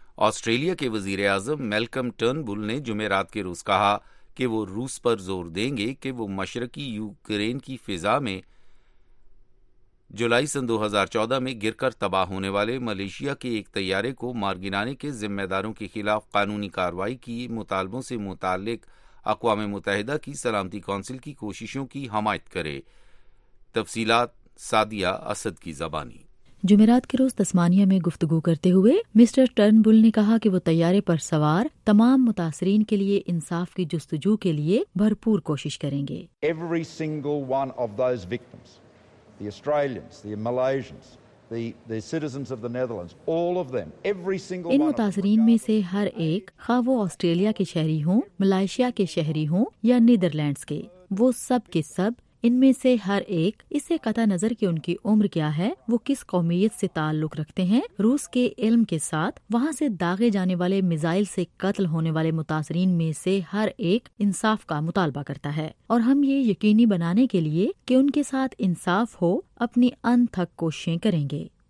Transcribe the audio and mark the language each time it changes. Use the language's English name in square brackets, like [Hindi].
[Urdu] Australia کے وزیر اعظم Malcolm turn بل نے جمعرات کے روز کہا کہ وہ روس پر زور دیں گے کہ وہ مشرقی یوکرین کی فضا میں جولائی سن 2014 میں گر کر تباہ ہونے والے ملیشیا کے ایک طیارے کو مار گرانے کے ذمہ داروں کے خلاف قانونی کارروائی کی مطالبوں سے متعلق اقوام متحدہ کی سلامتی کونسل کی کوششوں کی حمایت کرے۔ تفصیلات سادیہ اسد کی زبانی۔ جمعرات کے روز تسمانیہ میں گفتگو کرتے ہوئے مسٹر ٹرن بل نے کہا کہ وہ طیارے پر سوار تمام متاثرین کے لیے انصاف کی جستجو کے لیے بھرپور کوشش کریں گے۔ [English] Every single one of those victims, the Australians, the Malaysians, the citizens of the Netherlands, all of them, every single [Urdu] ان متاثرین میں سے ہر ایک، خواہ وہ آسٹریلیا کے شہری ہوں، ملائیشیا کے شہری ہوں یا نیدرلینڈز کے، وہ سب کے سب ان میں سے ہر ایک اسے قطع نظر کہ ان کی عمر کیا ہے، وہ کس قومیت سے تعلق رکھتے ہیں، روس کے علم کے ساتھ وہاں سے داغے جانے والے میزائل سے قتل ہونے والے متاثرین میں سے ہر ایک انصاف کا مطالبہ کرتا ہے، اور ہم یہ یقینی بنانے کے لیے کہ ان کے ساتھ انصاف ہو اپنی انتھک کوششیں کریں گے۔